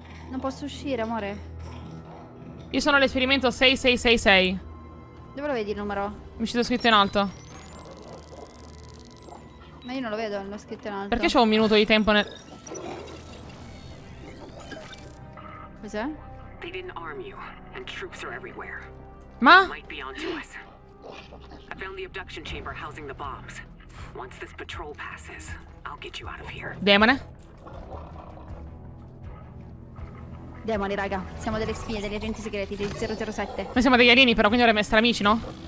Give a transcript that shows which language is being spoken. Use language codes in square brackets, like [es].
[it] Non posso uscire, amore. Io sono all'esperimento 6666. Dove lo vedi il numero? Mi è uscito scritto in alto. Ma io non lo vedo, l'ho scritto in alto. Perché c'ho un minuto di tempo nel... Cos'è? [en] They didn't arm you, and troops are everywhere. [it] Ma? [en] Might be onto us. I found the abduction chamber housing the bombs. Once this patrol passes, I'll get you out of here. [it] Demone? Demoni, raga. Siamo delle spie, degli agenti segreti, del 007. Noi siamo degli alieni, però, quindi dovremmo essere amici, no?